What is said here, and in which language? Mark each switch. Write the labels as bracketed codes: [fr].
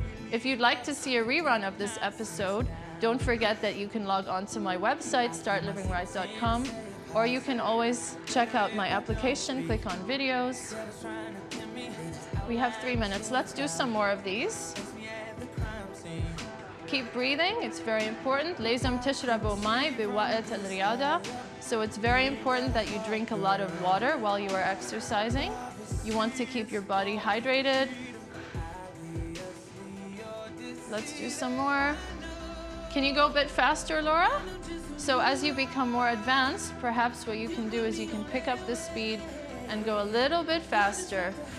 [en] If you'd like to see a rerun of this episode, don't forget that you can log on to my website, startlivingright.com, or you can always check out my application, click on videos. We have 3 minutes. Let's do some more of these. Keep breathing, it's very important. [ar] لازم تشربوا ماء بوقت الرياضة. [en] So it's very important that you drink a lot of water while you are exercising. You want to keep your body hydrated. Let's do some more. Can you go a bit faster, Laura? So as you become more advanced, perhaps what you can do is you can pick up the speed and go a little bit faster.